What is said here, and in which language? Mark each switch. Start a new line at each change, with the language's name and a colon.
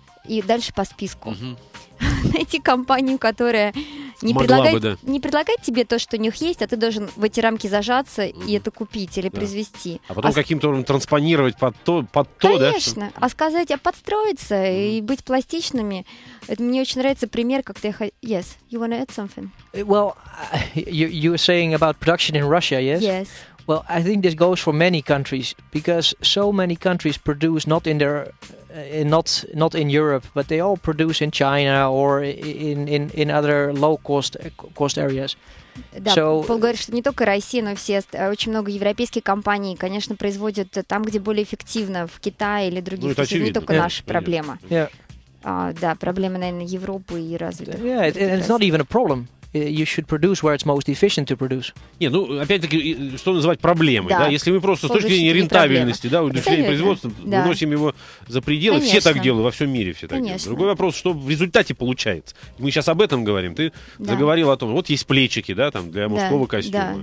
Russian: И дальше по списку. Найти компанию, которая не предлагает, не предлагает тебе то, что у них есть, а ты должен в эти рамки зажаться и это купить или произвести. А потом каким-то образом транспонировать под то, Конечно. А сказать, а подстроиться и быть пластичными. Это, мне очень нравится пример, как ты...
English: Yes, you want to add something? Well, you were saying about production in Russia, yes? Yes. Well, I think this goes for many countries, because so many countries produce not in their... not in Europe, but they all produce in China or in other low cost areas.
Russian: Да, so, Пол говорит, что не только Россия, но все очень много европейских компаний, конечно, производят там, где более эффективно, в Китае или других. Ну, это очевидно. Не только наша проблема.
English: Yeah.
Russian: Да, проблема, наверное, Европы и развитых.
English: Yeah, it's not even a problem. You should produce where it's most efficient to produce.
Russian: Не, ну, опять-таки, что называть проблемой, да? Если мы просто с точки зрения рентабельности, да, удешевления производства, да, выносим его за пределы. Конечно. Все так делают, во всем мире все так делают. Другой вопрос, что в результате получается. Мы сейчас об этом говорим. Ты заговорил о том, вот есть плечики, да, там, для мужского костюма.